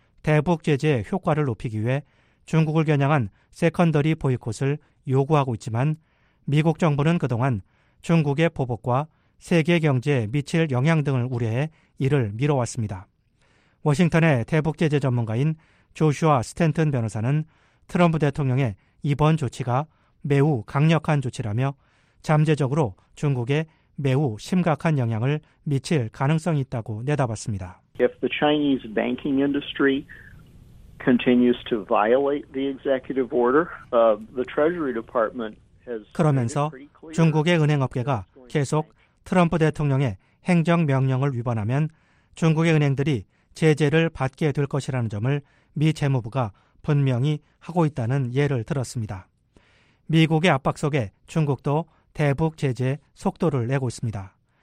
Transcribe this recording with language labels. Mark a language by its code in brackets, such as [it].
[ko] 대북 제재의 효과를 높이기 위해 중국을 겨냥한 세컨더리 보이콧을 요구하고 있지만 미국 정부는 그동안 중국의 보복과 세계 경제에 미칠 영향 등을 우려해 이를 미뤄왔습니다. 워싱턴의 대북 제재 전문가인 조슈아 스탠튼 변호사는 트럼프 대통령의 이번 조치가 매우 강력한 조치라며 잠재적으로 중국에 매우 심각한 영향을 미칠 가능성이 있다고 내다봤습니다. [en] If the Chinese banking industry continues to violate the executive order, the Treasury Department has [ko] 그러면서 중국의 은행 업계가 계속 트럼프 대통령의 행정 명령을 위반하면 중국의 은행들이 제재를 받게 될 것이라는 점을 미 재무부가 분명히 하고 있다는 예를 들었습니다. 미국의 압박 속에 중국도 대북 제재 속도를 내고 있습니다.